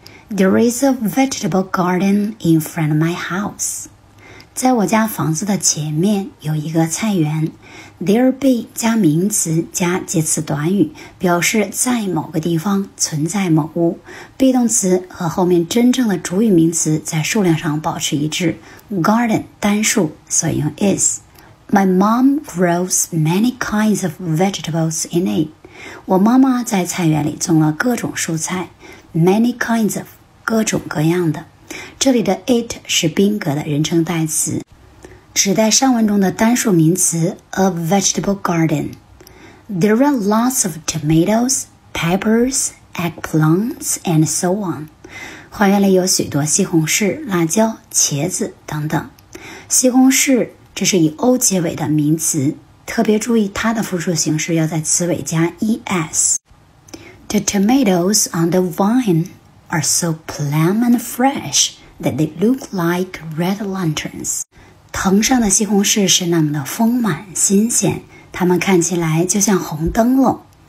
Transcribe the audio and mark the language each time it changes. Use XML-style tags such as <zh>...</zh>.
<en>There is a vegetable garden in front of my house.</en> <zh>在我家房子的前面有一个菜园。There be 加名词加介词短语，表示在某个地方存在某物。被动词和后面真正的主语名词在数量上保持一致。</zh> <en>Garden</en> <zh>单数，所以用</zh> <en>is。My mom grows many kinds of vegetables in it.</en> <zh>我妈妈在菜园里种了各种蔬菜。 Many kinds of 各种各样的。这里的 it 是宾格的人称代词，指代上文中的单数名词 a vegetable garden.</zh> <en>There are lots of tomatoes, peppers, eggplants, and so on.</en> <zh>花园里有许多西红柿、辣椒、茄子等等。西红柿这是以 o 结尾的名词，特别注意它的复数形式要在词尾加 es。</zh> <en>The tomatoes on the vine are so plump and fresh that they look like red lanterns.</en> <zh>藤上的西红柿是那么的丰满新鲜，它们看起来就像红灯笼。</zh>